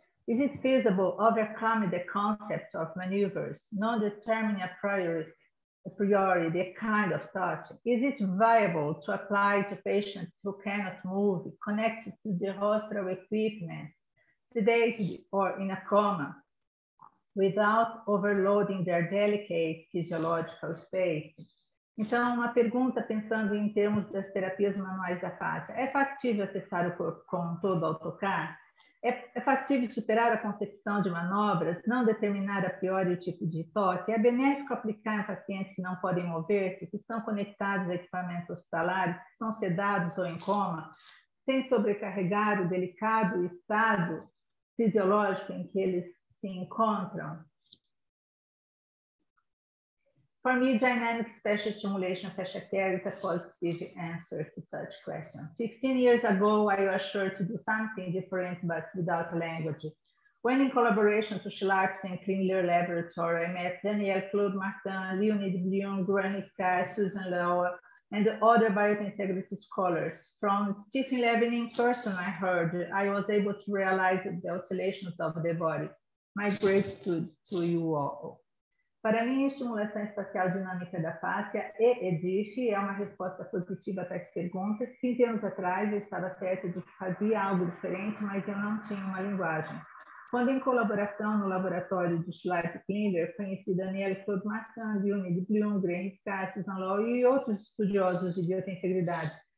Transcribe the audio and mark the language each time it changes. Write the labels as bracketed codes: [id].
[en] Is it feasible overcoming the concept of maneuvers, not determining a priori the kind of touch? Is it viable to apply to patients who cannot move, connected to the rostral equipment, sedated or in a coma, without overloading their delicate physiological space? [pt] Então, uma pergunta pensando em termos das terapias manuais da face. É factível acessar o corpo com todo AutoCAD? É factível superar a concepção de manobras, não determinar a priori o tipo de toque? É benéfico aplicar em pacientes que não podem mover-se, que estão conectados a equipamentos hospitalares, que estão sedados ou em coma, sem sobrecarregar o delicado estado fisiológico em que eles se encontram? [en] For me, dynamic spatial stimulation of fascia is a positive answer to such questions. 15 years ago, I was sure to do something different, but without language. When in collaboration with Schlaps and Klingler Laboratory, I met Danielle Claude-Martin, Leonid Blum, Granny Sky, Susan Lowe, and the other biointegrity scholars. From Stephen Levin in person, I heard, I was able to realize the oscillations of the body. My gratitude to you all. [pt] Para mim, a estimulação espacial dinâmica da fáscia e EDIF é uma resposta positiva para as perguntas. 15 anos atrás, eu estava certa de que fazia algo diferente, mas eu não tinha uma linguagem. Quando em colaboração no laboratório de Schleif-Klingler, conheci Danielle Claude-Martin, Leonid Blum, Graham Cassius, Anlow e outros estudiosos de biointegridade.